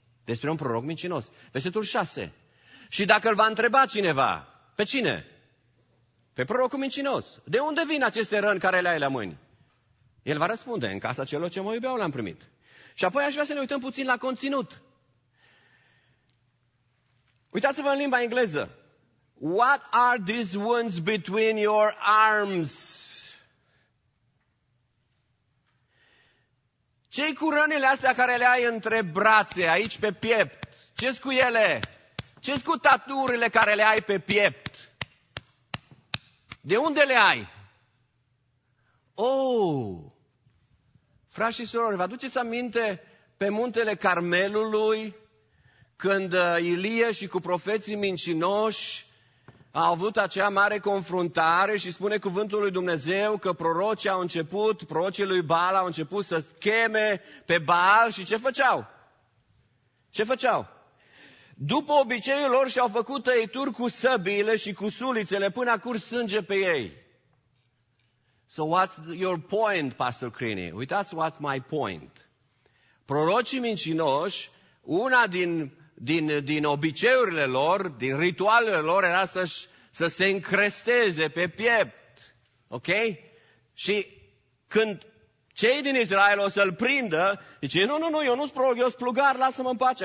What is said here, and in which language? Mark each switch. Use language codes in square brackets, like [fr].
[ro] Despre un proroc mincinos. Versetul 6. Și dacă îl va întreba cineva, pe cine? Pe prorocul mincinos. De unde vin aceste răni care le ai la mâini? El va răspunde, în casa celor ce mă iubeau le-am primit. Și apoi aș vrea să ne uităm puțin la conținut. Uitați-vă în limba engleză. [en] What are these wounds between your arms? [ro] Ce-i cu rănile astea care le ai între brațe, aici pe piept? Ce-s cu ele? Ce-s cu taturile care le ai pe piept? De unde le ai? Oh! Frați și surori, vă aduceți aminte pe muntele Carmelului, când Ilie și cu profeții mincinoși au avut acea mare confruntare și spune cuvântul lui Dumnezeu că prorocii au început, prorocii lui Baal au început să cheme pe Baal și ce făceau? Ce făceau? După obiceiul lor și-au făcut tăieturi cu săbiile și cu sulițele până a curs sânge pe ei. [en] So what's your point, Pastor Crini? [ro] Uitați, [en] what's my point? [ro] Prorocii mincinoși, una din obiceiurile lor, din ritualurile lor, era să se încresteze pe piept. Ok? Și când cei din Israel o să-l prindă, zice, nu, nu, nu, eu nu-s proroc, eu-s plugar, lasă-mă în pace.